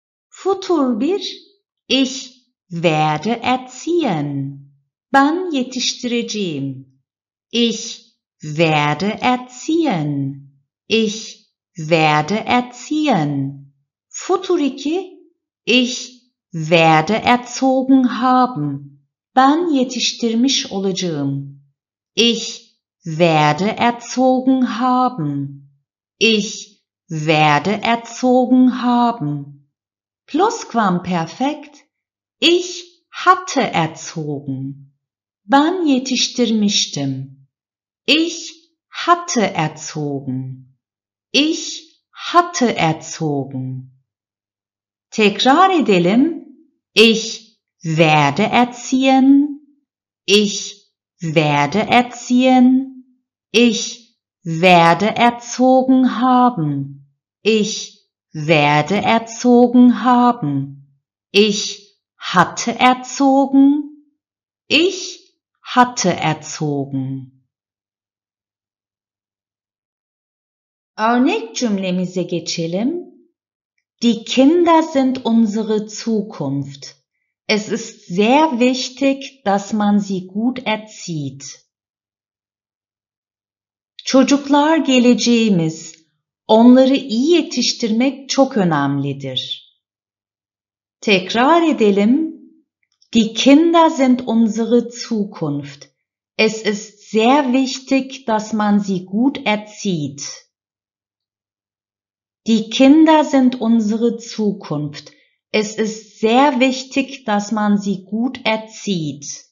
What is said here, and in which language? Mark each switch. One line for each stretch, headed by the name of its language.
German: Futur bir, ich werde erziehen.
Turkish: Ben yetiştireceğim.
German: Ich werde erziehen. Ich werde erziehen. Futur iki, ich werde erzogen haben.
Turkish: Ben yetiştirmiş olacağım.
German: Ich werde erzogen haben. Ich werde erzogen haben. Plusquamperfekt. Ich hatte erzogen.
Turkish: Ben yetiştirmiştim.
German: Ich hatte erzogen. Ich hatte erzogen.
Turkish: Tekrar edelim.
German: Ich werde erziehen. Ich werde erziehen. Ich werde erzogen haben. Ich werde erzogen haben. Ich hatte erzogen. Ich hatte erzogen.
Turkish: Örnek cümlemize geçelim.
German: Die Kinder sind unsere Zukunft. Es ist sehr wichtig, dass man sie gut erzieht.
Turkish: Çocuklar geleceğimiz. Onları iyi yetiştirmek çok önemlidir. Tekrar edelim.
German: Die Kinder sind unsere Zukunft. Es ist sehr wichtig, dass man sie gut erzieht. Die Kinder sind unsere Zukunft. Es ist sehr wichtig, dass man sie gut erzieht.